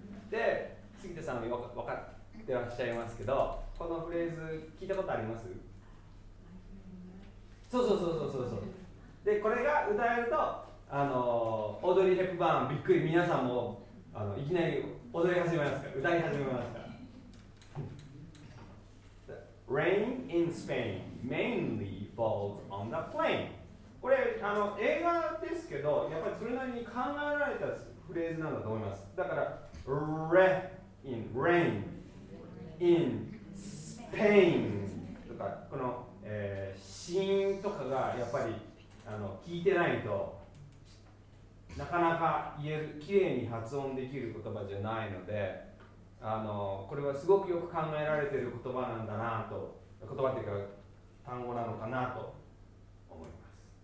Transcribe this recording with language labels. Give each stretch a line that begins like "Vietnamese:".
Japanese: で、杉田さんも分かってらっしゃいますけど、このフレーズ聞いたことあります？そうそうそうそうそうそう。で、これが歌えると、オードリー・ヘップバーン、びっくり、皆さんもいきなり踊り始めますから、歌い始めますから。
English: Rain in Spain mainly falls on the plain。
Japanese: これ映画ですけど、やっぱりそれなりに考えられたフレーズなんだと思います。だから
English: Rain in Spain
Japanese: とか、この、シーンとかがやっぱり聞いてないとなかなか言える、きれいに発音できる言葉じゃないので、これはすごくよく考えられている言葉なんだなと、言葉というか単語なのかなと思います。